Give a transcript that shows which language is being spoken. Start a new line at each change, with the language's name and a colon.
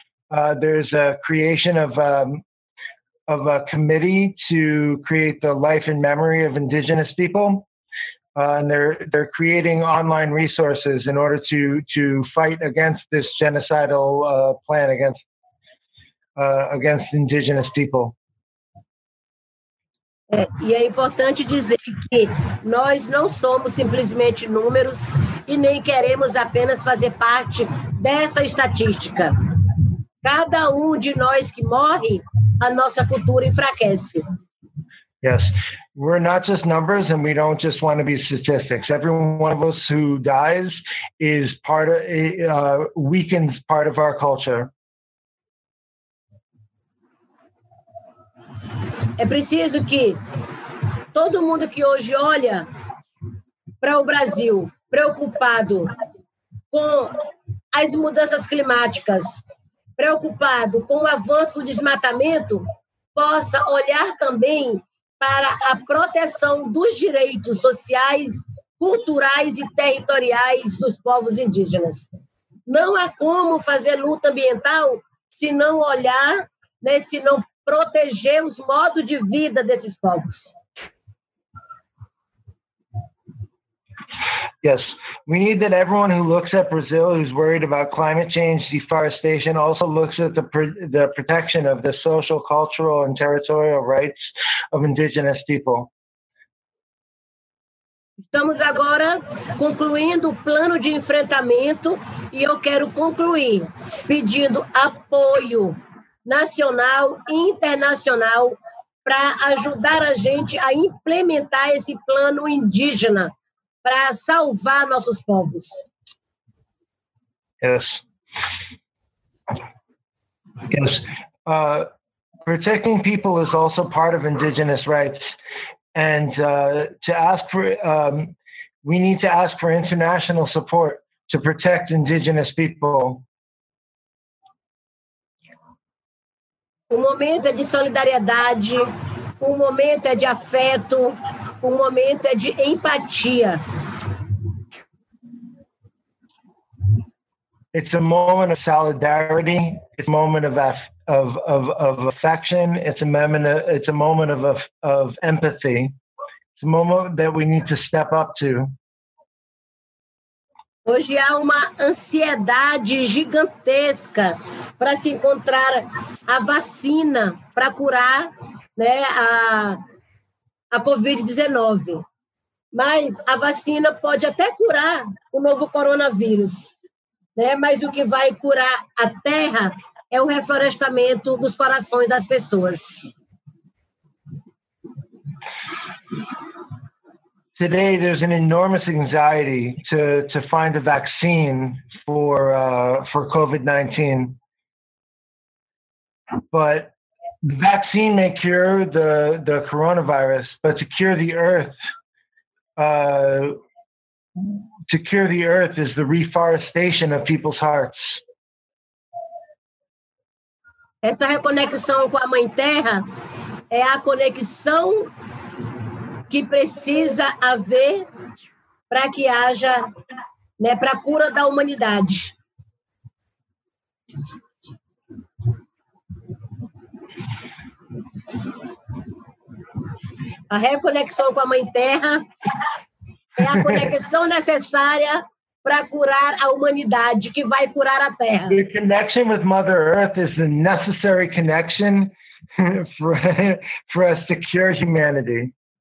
English: There's a creation of a committee to create the life and memory of indigenous people. And they're creating online resources in order to fight against this genocidal plan against indigenous people.
Portuguese: E é importante dizer que nós não somos simplesmente números e nem queremos apenas fazer parte dessa estatística. Cada de nós que morre, a nossa cultura enfraquece.
English: Yes. We're not just numbers, and we don't just want to be statistics. Every one of us who dies is part of, weakens part of our culture.
Portuguese: É preciso que todo mundo que hoje olha para o Brasil preocupado com as mudanças climáticas, preocupado com o avanço do desmatamento, possa olhar também para a proteção dos direitos sociais, culturais e territoriais dos povos indígenas. Não há como fazer luta ambiental se não olhar, né, se não proteger os modos de vida desses povos.
English: Yes, we need that everyone who looks at Brazil who's worried about climate change, deforestation, also looks at the protection of the social, cultural, and territorial rights of indigenous people.
Portuguese: Estamos agora concluindo o plano de enfrentamento e eu quero concluir pedindo apoio nacional e internacional para ajudar a gente a implementar esse plano indígena para salvar nossos povos.
English: Yes. Yes. Protecting people is also part of indigenous rights. And to ask for, we need to ask for international support to protect indigenous people.
Portuguese: O momento é de solidariedade, o momento é de afeto, o momento é de empatia.
English: It's a moment of solidarity. It's a moment of affection. It's a moment of empathy. It's a moment that we need to step up to.
Portuguese: Hoje há uma ansiedade gigantesca para se encontrar a vacina para curar, né, a COVID-19. Mas a vacina pode até curar o novo coronavírus. Né? Mas o que vai curar a terra é o reflorestamento dos corações das pessoas.
English: Today there's an enormous anxiety to find a vaccine for COVID-19. But the vaccine may cure the coronavirus, but to cure the earth, to cure the earth is the reforestation of people's hearts.
Portuguese: Essa reconexão com a Mãe Terra é a conexão que precisa haver para que haja, né, para a cura da humanidade. A reconexão com a Mãe Terra é a conexão necessária para curar a humanidade, que vai curar a Terra.
English: The connection with Mother Earth is the necessary connection for us to cure humanity.